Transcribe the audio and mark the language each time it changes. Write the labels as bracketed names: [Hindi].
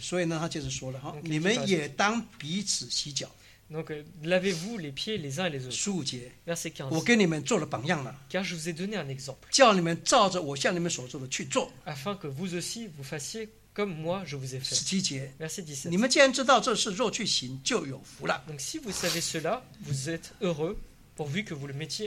[Chinese] 所以呢，他接着说了哈，你们也当彼此洗脚。 [French] Donc, lavez-vous les pieds les uns et les autres. [Chinese] 十五节。 [French] Verset 15. [Chinese] 我给你们做了榜样了。 [French] Car je vous ai donné un exemple. [Chinese] 叫你们照着我向你们所做的去做。 [French] Afin que vous aussi vous fassiez comme moi je vous ai fait. [Chinese] 十七节。 [French] Verset 17. [Chinese] 你们既然知道这事，若去行，就有福了。 [French] Donc, si vous savez cela, vous êtes heureux, pourvu que vous le mettiez